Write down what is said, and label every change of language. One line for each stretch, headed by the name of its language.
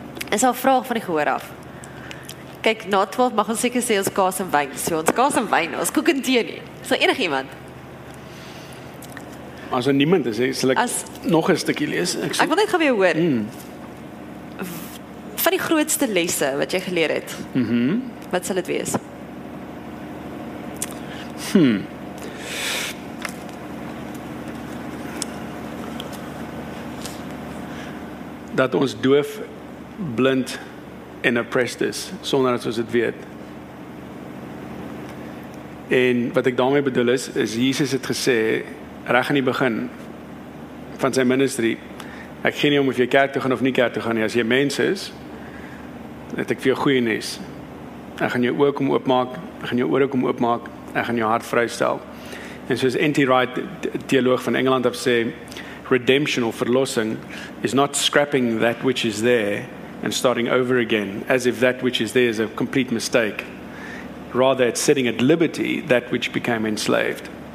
Afrikaans: Is al vraag van die gehoor af. Kijk, na 12 mag ons seker sê ons kaas en wijn. So, ons kaas en wijn, ons koek en tee nie. Is daar enig iemand? As er niemand is, sal ek nog een stukje lees. Ek wil net gaan weer hoor. Van die grootste lesse wat jy geleer het, wat sal het wees? Dat ons doof, blind en oppressed is, sonder dat ons het weet. En wat ek daarmee bedoel is, is Jesus het gesê, reg in die begin van sy ministry, ek gee nie om of jy kerk toe gaan of nie kerk toe gaan nie, as jy mens is, het ek vir jou goeie nes. Ek gaan jou oor kom oopmaak, ek gaan jou oor kom oopmaak, ek gaan jou hart vrystel. En soos N.T.
English: Wright,
Afrikaans: theoloog van Engeland, het sê,
English: redemption or verlossing is not scrapping that which is there and starting over again, as if that which is there is a complete mistake. Rather, it's setting at liberty that which became enslaved.